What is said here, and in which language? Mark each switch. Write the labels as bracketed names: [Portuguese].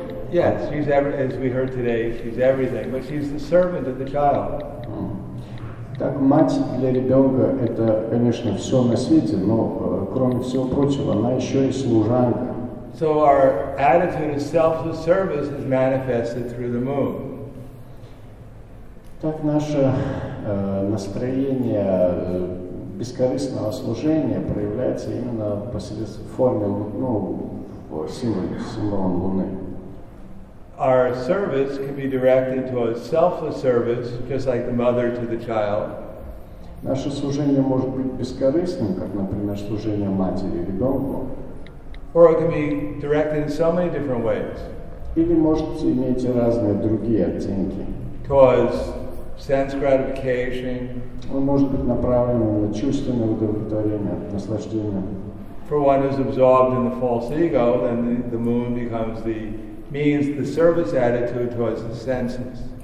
[English] Yes, she's as we heard today, she's everything, but she's the servant of the child. [Russian] Так мать для ребенка — это, конечно, все на свете, но кроме всего прочего, она еще и служанка. [English] So our attitude of selfless service is manifested through the moon. [Russian] Так наше настроение бескорыстного служения проявляется именно посредством формы, ну, символом луны. [English] Our service can be directed towards selfless service, just like the mother to the child. [Russian] Наше служение может быть бескорыстным, как, например, служение матери ребенку. [English] Or it can be directed in so many different ways. [Russian] Или может иметь разные другие оттенки. [English] Towards sense gratification. [Russian] Он может быть направлен на чувственное удовлетворение, наслаждение. [English] For one who's absorbed in the false ego, then the moon becomes the means, the service attitude towards the senses.